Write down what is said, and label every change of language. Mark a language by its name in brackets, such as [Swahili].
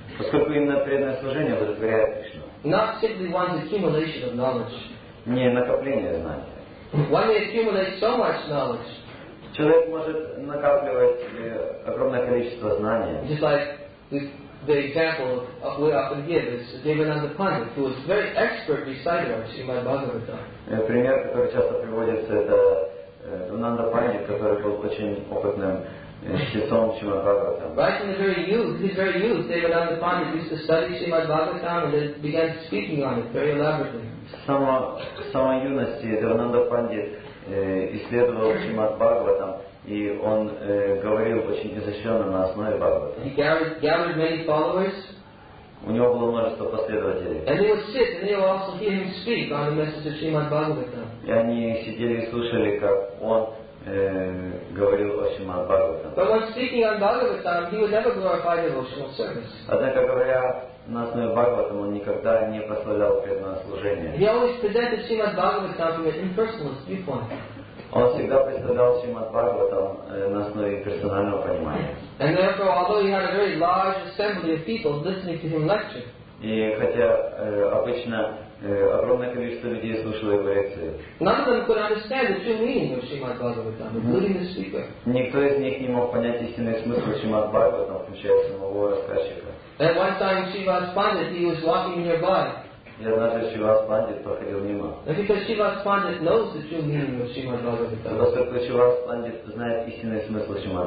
[Russian] Поскольку именно преданное служение удовлетворяет Кришну. [English] Not simply one's accumulation of knowledge. [Russian] Не накопление знаний. [English] One may accumulate so much knowledge. [Russian] Человек может накапливать огромное количество знаний. [English] Just like the example of we often give is Devananda Pandit, who was a very expert reciter of Srimad Bhagavatam. [Russian] Пример, который часто приводится, это Девананда Пандит, который был очень опытным чтецом Шримад Бхагаватам. [English] Right from the very youth, his very youth, Девананда Пандит used to study Srimad Bhagavatam and then began speaking on it very elaborately. [Russian] С самой юности Девананда Пандит исследовал Шримад Бхагаватам, и он говорил очень изощренно на основе Бхагаватам. [English] He gathered many followers. [Russian] У него было множество последователей. [English] And they would sit and they would also hear him speak on the message of Srimad Bhagavatam. [Russian] И они сидели и слушали, как он говорил о Шримад Бхагаватам. [English] But when speaking on Bhagavatam, he would never glorify devotional service. [Russian] Однако говоря на основе Бхагаватам, он никогда не прославлял преданное служение. [English] He always presented Srimad Bhagavatam from an impersonalist viewpoint. [Russian] Он всегда представлял Шримад Бхагаватам на основе персонального понимания. [English] And therefore, although he had a very large assembly of people listening to him lecture, [Russian] и хотя обычно огромное количество людей слушало его лекции, [English] none of them could understand the true meaning of Srimad Bhagavatam, including the speaker. [Russian] Никто из них не мог понять истинный смысл Шримад Бхагаватам, включая самого рассказчика. [English] At one time, Srivas Pandit, he was walking nearby. [Russian] И однажды Шривас Пандит проходил мимо. Поскольку Шривас Пандит знает истинный смысл Шримад